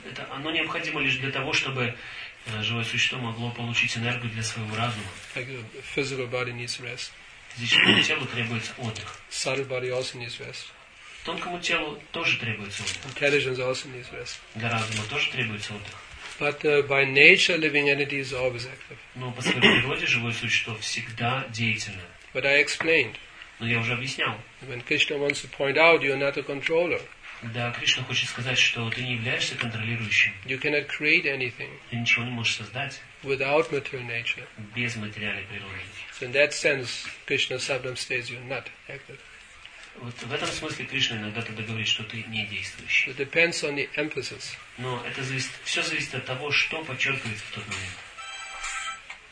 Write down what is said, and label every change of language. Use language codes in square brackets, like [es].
[ru] Оно необходимо лишь для того, чтобы живое существо могло получить энергию для своего разума. [en] Like a physical body needs rest. [ru] Физическому телу требуется отдых. [en] Subtle body also needs rest. [ru] Тонкому телу тоже требуется отдых. [en] Intelligence also needs rest. [ru] Для разума тоже требуется отдых. [en] But by nature, living entity is always active. [ru] Но по своей природе живое существо всегда деятельно. [en] But I explained. [ru] Но я уже объяснял. [en] When Krishna wants to point out, you are not a controller. [ru] Да, Кришна хочет сказать, что ты не являешься контролирующим. [en] You cannot create anything. [ru] Ты ничего не можешь создать. [en] Without material nature. [ru] Без материальной природы. [en] So in that sense, Krishna sometimes says you are not active. [ru] Вот в этом смысле Кришна иногда тогда говорит, что ты не действующий. [en] It depends on the emphasis. [ru] Но это зависит, все зависит от того, что подчеркивается в тот момент.